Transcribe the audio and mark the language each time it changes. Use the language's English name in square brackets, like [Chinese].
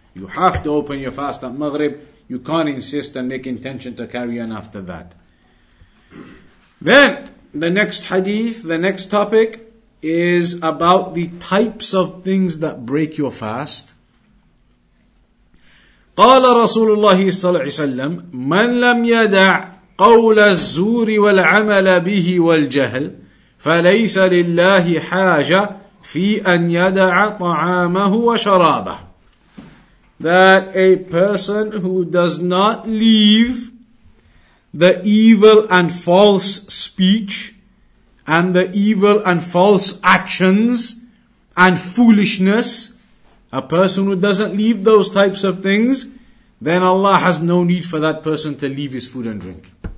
[English] You have to open your fast at Maghrib. You can't insist and make intention to carry on after that. Then, the next hadith, the next topic, is about the types of things that break your fast. [Arabic] قال رسول الله صلى الله عليه وسلم من لم يدع قول الزور والعمل به والجهل فليس لله حاجة في أن يدع طعامه وشرابه. [English] that a person who does not leave the evil and false speech and the evil and false actions and foolishness, a person who doesn't leave those types of things, then Allah has no need for that person to leave his food and drink.